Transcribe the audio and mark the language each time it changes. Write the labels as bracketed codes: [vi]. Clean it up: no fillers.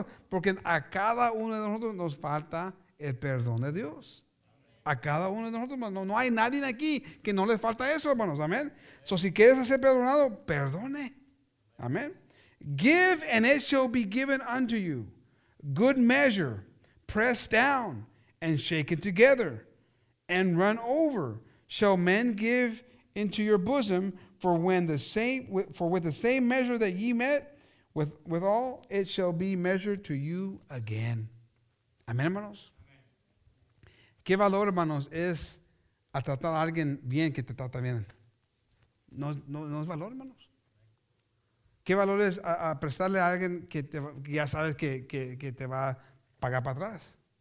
[es] Porque a cada uno de nosotros nos falta el perdón de Dios. A cada uno de nosotros. No hay nadie aquí que no le falta eso, hermanos. Amén. So si quieres ser perdonado, perdone. Amén. [en] Give, and it shall be given unto you. Good measure, pressed down, and shaken together, and run over, shall men give into your bosom. For with the same measure that ye met with all, it shall be measured to you again. [es] Amén, hermanos. Amen. ¿Qué valor, hermanos, es a tratar a alguien bien que te trata bien? No es valor, hermanos. ¿Qué valor es a prestarle a alguien que ya sabes que te va a pagar para atrás?